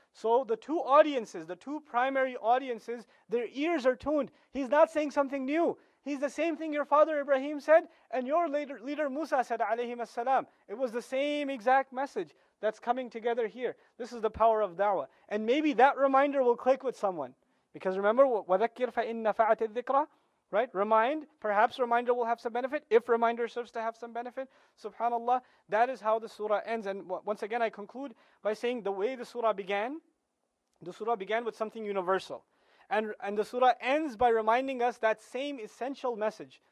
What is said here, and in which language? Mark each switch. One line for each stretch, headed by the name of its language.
English: So the two audiences, the two primary audiences, their ears are tuned. He's not saying something new. He's the same thing your father Ibrahim said and your later leader Musa said alayhi salam. It was the same exact message that's coming together here. This is the power of da'wah. And maybe that reminder will click with someone. Because remember,
Arabic: وَذَكِّرْ فَإِنَّ فَعَتِ الذِّكْرَى.
English: Right? Remind. Perhaps reminder will have some benefit. If reminder serves to have some benefit. SubhanAllah. That is how the surah ends. And once again, I conclude by saying the way the surah began with something universal. And the surah ends by reminding us that same essential message.